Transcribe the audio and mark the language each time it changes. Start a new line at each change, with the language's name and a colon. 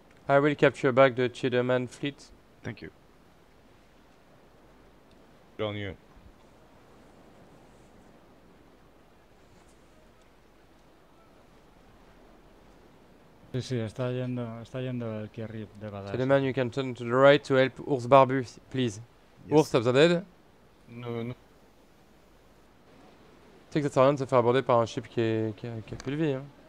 English: I will capture back the Cheddarman fleet. Thank you. Good on you.
Spanish: Sí, sí, está yendo el Kirib de Badass.
English: Cheddarman, you can turn to the right to help Urs Barbu, please. Yes. Urs, are you dead? No, no.
French: Tu sais que ça sert à rien de se faire aborder par un ship qui a plus de vie, hein.